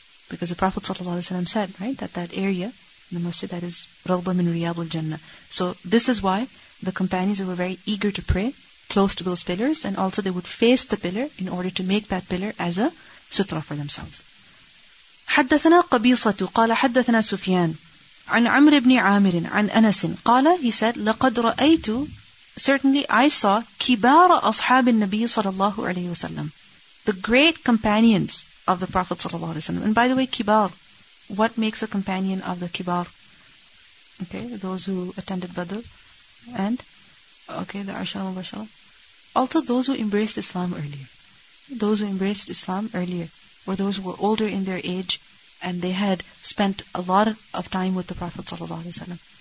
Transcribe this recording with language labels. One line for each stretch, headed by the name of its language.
English: Because the Prophet صلى الله عليه وسلم said, right, that that area, the masjid, that is rawda min riyad al-jannah. So this is why the companions were very eager to pray close to those pillars, and also they would face the pillar in order to make that pillar as a sutra for themselves.
Arabic: حدثنا قبيصة قال حدثنا سفيان عن عمر بن عامر عن أنس قال,
English: he said,
Arabic: لقد رأيت,
English: certainly I saw,
Arabic: كبار أصحاب النبي صلى الله عليه وسلم,
English: the great companions of the Prophet
Arabic: صلى الله عليه وسلم.
English: And by the way, كبار, what makes a companion of the كبار? Okay, those who attended Badr and okay, the Ashar al-Bashar. Also those who embraced Islam earlier. Those who embraced Islam earlier, or those who were older in their age and they had spent a lot of time with the Prophet ﷺ.